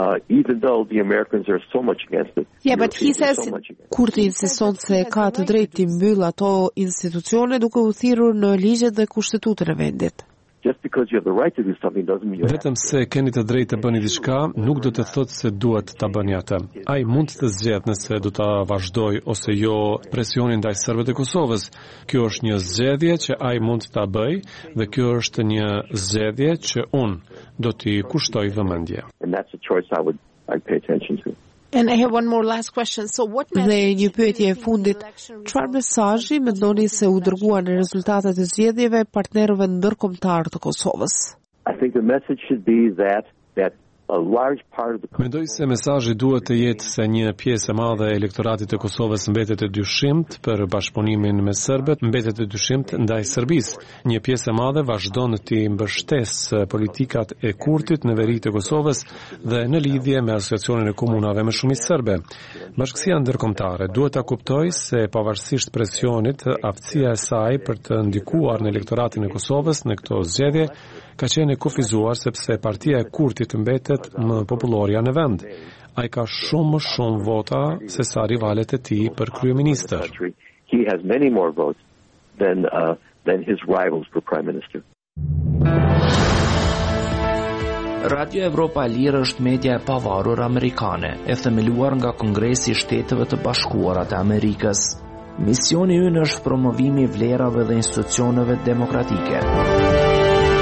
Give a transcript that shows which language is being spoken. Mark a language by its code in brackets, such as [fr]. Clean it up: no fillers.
[en] Even though the Americans are so much against it. Yeah, but he says [sq] Kurti insiston se ka të drejtë të mbyll ato institucione duke u thirrur në ligjet dhe kushtetutën e vendit. [en] Just because you have the right to do something doesn't mean you have to. [sq] Vetëm se keni të drejtë të bëni diçka, nuk do të thotë se duhet ta bëni atë. Ai mund të zgjedhë nëse do ta vazhdoj ose jo presionin ndaj serbëve të Kosovës. Kjo është një zgjedhje që ai mund ta bëjë dhe kjo është një zgjedhje që un do t'i kushtoj vëmendje. [en] And that's a choice I would pay attention to. And I have one more last question. So what message did you send in the election I think the message should be that a large part of the [sq] Mendoj se mesazhi duhet të jetë se një pjesë e madhe e elektoratit të Kosovës mbetet e dyshimt për bashkëpunimin me serbët, mbetet e dyshimt ndaj Serbisë. Një pjesë e madhe vazhdon të mbështesë politikat e Kurtit në veri të Kosovës dhe në lidhje me asociacionin e komunave me shumicë serbe. Bashkësia ndërkombëtare duhet ta kuptojë se pavarësisht presionit, aftësia e saj për të ndikuar në elektoratin e Kosovës në këto zgjedhje ka qenë e kufizuar sepse partia e Kurtit mbetet më popullorja në vend. Ai ka shumë më shumë vota se sa rivalet e tij për kryeministër. [en] He has many more votes than his rivals for prime minister. [sq] Radio Evropa e Lirë është media e pavarur amerikane, e themeluar nga Kongresi i Shteteve të Bashkuara të Amerikës. Misioni ynë është promovimi i vlerave dhe institucioneve demokratike.